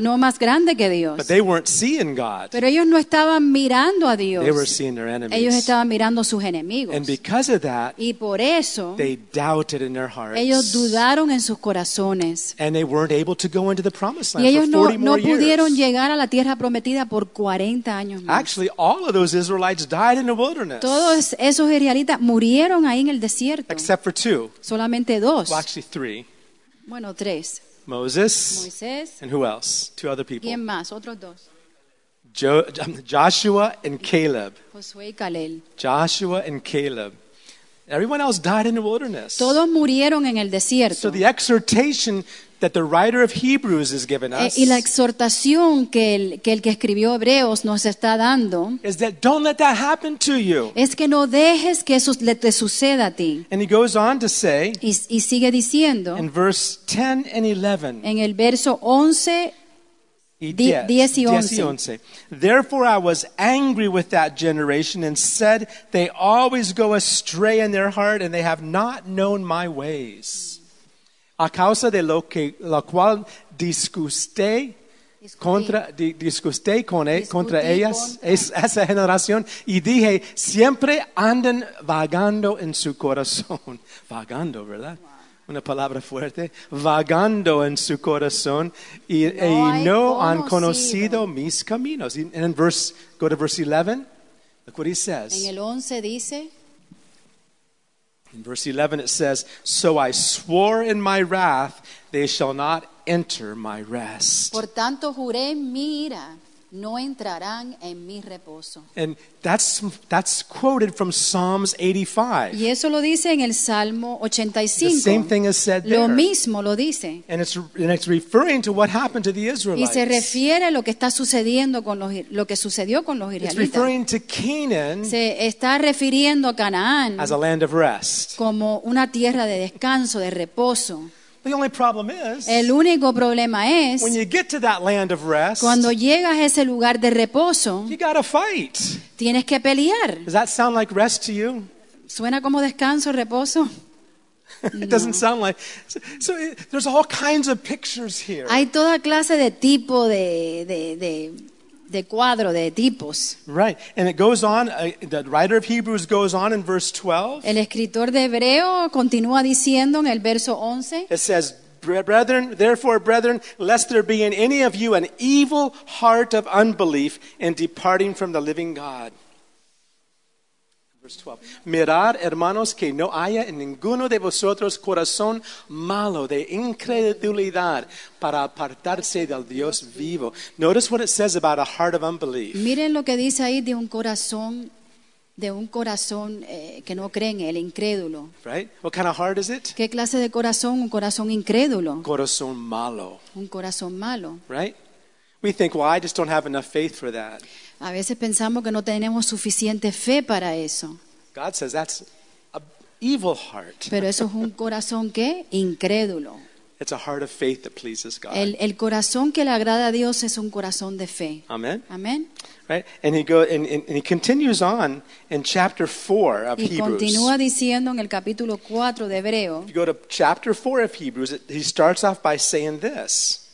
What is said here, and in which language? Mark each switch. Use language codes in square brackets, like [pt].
[es] No más grande que Dios. [en] But they weren't seeing God. [es] Pero ellos no estaban mirando a Dios. [en] They were seeing their enemies. [es] Ellos estaban mirando sus enemigos. [en] And because of that, [es] y por eso, [en] they doubted in their hearts. [es] Ellos dudaron en sus corazones. [en] And they weren't able to go into the promised land [es] y ellos [en] for 40 [es] no, [en] more [es] no pudieron [en] years. [es] Llegar a la tierra prometida por 40 años más. [en] Actually, all of those Israelites died in the wilderness. [es] Todos esos israelitas murieron ahí en el desierto. [en] Except for two. [es] Solamente dos. [en] Well, actually three. [es] Bueno, tres. [en] Moses. [es] Moisés. [en] And who else? Two other people. [es] ¿Quién más? Otros dos. [en] Joshua and Caleb. [es] Josué y Caleb. [en] Joshua and Caleb. Everyone else died in the wilderness. [es] Todos murieron en el desierto. [en] So the exhortation that the writer of Hebrews is giving us. [es] Y la exhortación que el que escribió Hebreos nos está dando. [en] Is that don't let that happen to you. [es] Es que no dejes que eso te suceda a ti. [en] And he goes on to say. [es] Y sigue diciendo. [en] In verse 10 and 11. [es] En el verso 11. Diez y once. [en] Therefore I was angry with that generation and said, they always go astray in their heart and they have not known my ways. [es] A causa de lo que la cual disgusté contra ellas, esa generación, y dije, siempre andan vagando en su corazón. Vagando, ¿verdad? Wow. Una palabra fuerte, vagando en su corazón y no han conocido mis caminos. [en] And in verse, go to verse 11, look what he says. [es] En el 11 dice. [en] In verse 11 it says, so I swore in my wrath, they shall not enter my rest. [es] Por tanto juré en mi ira. No entrarán en mi reposo. [en] And that's quoted from Psalms 85. [es] Y eso lo dice en el Salmo 85. [en] The same thing is said there. [es] Lo mismo lo dice. [en] And it's referring to what happened to the Israelites. [es] Y se refiere a lo que está sucediendo con los lo que sucedió con los israelitas. [en] It's referring to Canaan. [es] Se está refiriendo a Canaán. [en] As a land of rest. [es] Como una tierra de descanso, de reposo. [en] The only problem is, [es] el único problema es, [en] when you get to that land of rest, [es] cuando llegas a ese lugar de reposo, [en] you gotta fight. [es] Tienes que pelear. [en] Does that sound like rest to you? [es] ¿Suena como descanso, reposo? [en] It doesn't sound like. So there's all kinds of pictures here. [es] Hay toda clase de tipo de cuadro de tipos. [en] Right. And it goes on, the writer of Hebrews goes on in verse 12. [es] El escritor de Hebreo continúa diciendo en el verso 11. [en] It says, brethren, therefore brethren, lest there be in any of you an evil heart of unbelief in departing from the living God. Verse 12. [es] Mirad, hermanos, que no haya en ninguno de vosotros corazón malo de incredulidad para apartarse del Dios vivo. [en] Notice what it says about a heart of unbelief. [es] Miren lo que dice ahí de un corazón que no cree en él, incrédulo. [en] Right? What kind of heart is it? [es] ¿Qué clase de corazón? Un corazón incrédulo. Corazón malo. Un corazón malo. [en] Right? We think, well, I just don't have enough faith for that. [es] A veces pensamos que no tenemos suficiente fe para eso. [en] God says that's an evil heart. [es] Pero eso es un corazón ¿qué? Incrédulo. [en] It's a heart of faith that pleases God. [es] El corazón que le agrada a Dios es un corazón de fe. [en] Amen. [es] Amen. [en] Right? And he continues on in chapter 4 of Hebrews. [es] Y continúa diciendo en el capítulo 4 de Hebreo. [en] If you go to chapter 4 of Hebrews, he starts off by saying this.